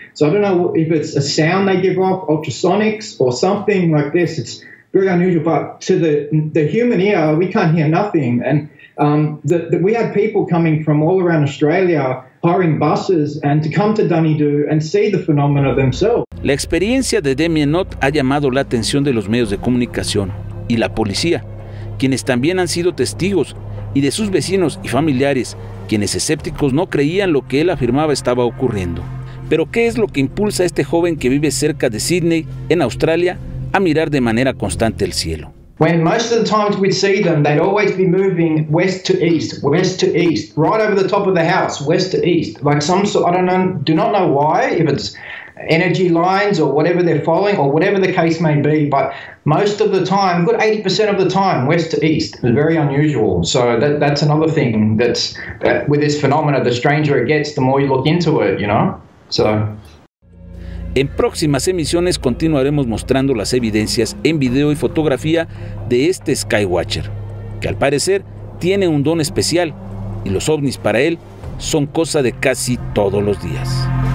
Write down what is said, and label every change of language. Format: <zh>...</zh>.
<en>So I don't know if it's a sound they give off, ultrasonics or something like this. It's very unusual, but to the human ear, we can't hear nothing. And we had people coming from all around Australia hiring buses and to come to Dunedoo and see the phenomena themselves.</en> <es>La experiencia de Damien Knott ha llamado la atención de los medios de comunicación y la policía, quienes también han sido testigos, y de sus vecinos y familiares, quienes escépticos no creían lo que él afirmaba estaba ocurriendo. Pero ¿qué es lo que impulsa a este joven que vive cerca de Sydney, en Australia, a mirar de manera constante el cielo?</es> <en>When most of the times we'd see them, they'd always be moving west to east, right over the top of the house, west to east. Like some sort, I don't know why, if it's energy lines or whatever they're following or whatever the case may be, but most of the time, good 80% of the time, west to east is very unusual. So that's another thing that with this phenomena, the stranger it gets, the more you look into it, you know? So.</en> <es>En próximas emisiones continuaremos mostrando las evidencias en video y fotografía de este Skywatcher, que al parecer tiene un don especial y los ovnis para él son cosa de casi todos los días.</es>